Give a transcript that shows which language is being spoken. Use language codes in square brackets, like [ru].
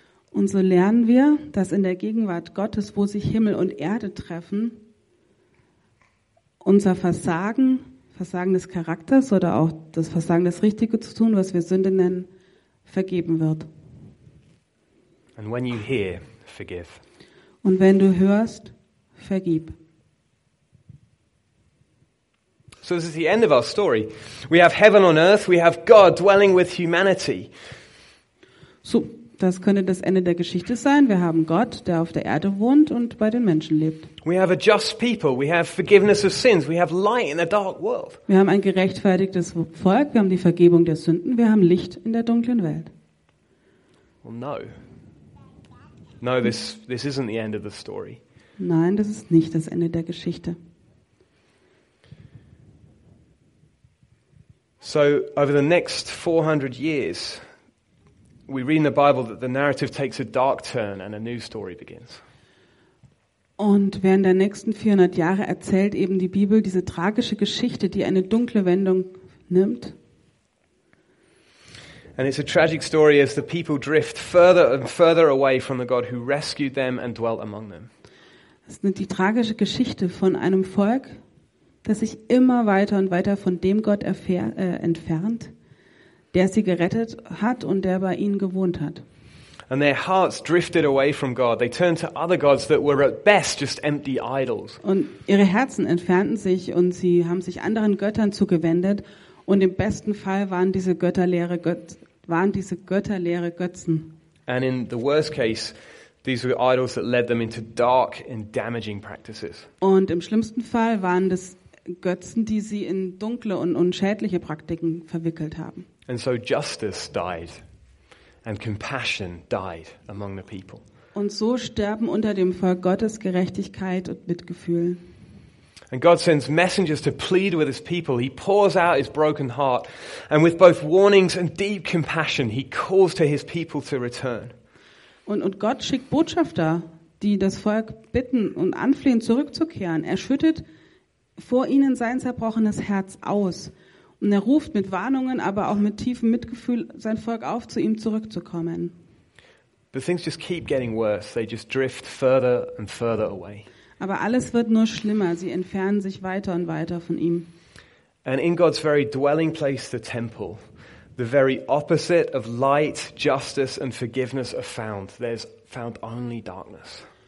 [de] Und so lernen wir, dass in der Gegenwart Gottes, wo sich Himmel und Erde treffen, unser Versagen, Versagen des Charakters oder auch das Versagen, das Richtige zu tun, was wir Sünde nennen, vergeben wird. [en] And when you hear, forgive. [de] Und wenn du hörst, vergib. [en] So this is the end of our story. We have heaven on earth, we have God dwelling with humanity. [de] So, das könnte das Ende der Geschichte sein. Wir haben Gott, der auf der Erde wohnt und bei den Menschen lebt. [en] We have a just people, we have forgiveness of sins, we have light in a dark world. [de] Wir haben ein gerechtfertigtes Volk, wir haben die Vergebung der Sünden, wir haben Licht in der dunklen Welt. [en] Well, no. No, this isn't the end of the story. [de] Nein, das ist nicht das Ende der Geschichte. [en] So over the next 400 years we read in the Bible that the narrative takes a dark turn and a new story begins. [de] Und während der nächsten 400 Jahre erzählt eben die Bibel diese tragische Geschichte, die eine dunkle Wendung nimmt. [en] And it's a tragic story as the people drift further and further away from the God who rescued them and dwelt among them. [de] Es ist die tragische Geschichte von einem Volk, dass sich immer weiter und weiter von dem Gott entfernt, der sie gerettet hat und der bei ihnen gewohnt hat. [en] And their hearts drifted away from God. They turned to other gods that were at best just empty idols. [de] Und ihre Herzen entfernten sich und sie haben sich anderen Göttern zugewendet und im besten Fall waren diese Götter leere Götzen. [en] And in the worst case, these were idols that led them into dark and damaging practices. [de] Und im schlimmsten Fall waren das Götzen, die sie in dunkle und unschädliche Praktiken verwickelt haben. [en] And so justice died and compassion died among the people. [de] Und so sterben unter dem Volk Gottes Gerechtigkeit und Mitgefühl. [en] And God sends messengers to plead with his people. He pours out his broken heart and with both warnings and deep compassion he calls to his people to return. [de] Und Gott schickt Botschafter, die das Volk bitten und anflehen zurückzukehren. Er schüttet vor ihnen sein zerbrochenes Herz aus. Und er ruft mit Warnungen, aber auch mit tiefem Mitgefühl sein Volk auf, zu ihm zurückzukommen. [en] But things just keep getting worse. They just drift further and further away. [de] Aber alles wird nur schlimmer. Sie entfernen sich weiter und weiter von ihm. [en] And in God's very dwelling place, the temple, the very opposite of light, justice and forgiveness are found. There's found only darkness.